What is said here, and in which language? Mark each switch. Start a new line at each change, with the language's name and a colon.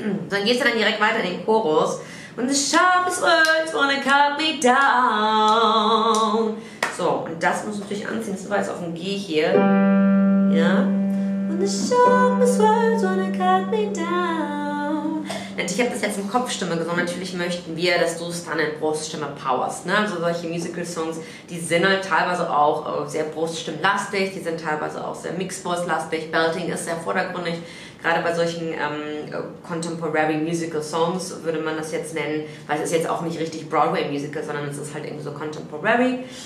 German: Dann gehst du dann direkt weiter in den Chorus.
English: When the sharpest words wanna cut me down.
German: So, und das musst du natürlich anziehen, das war jetzt auf dem G hier. Ja.
English: When the sharpest words wanna cut me down.
German: Und ich habe das jetzt in Kopfstimme gesungen. Natürlich möchten wir, dass du es dann in Bruststimme powerst. Ne? Also solche Musical-Songs, die sind halt teilweise auch sehr bruststimmlastig, die sind teilweise auch sehr Mixed-Voice-lastig. Belting ist sehr vordergründig. Gerade bei solchen Contemporary Musical Songs würde man das jetzt nennen, weil es ist jetzt auch nicht richtig Broadway Musical, sondern es ist halt irgendwie so Contemporary.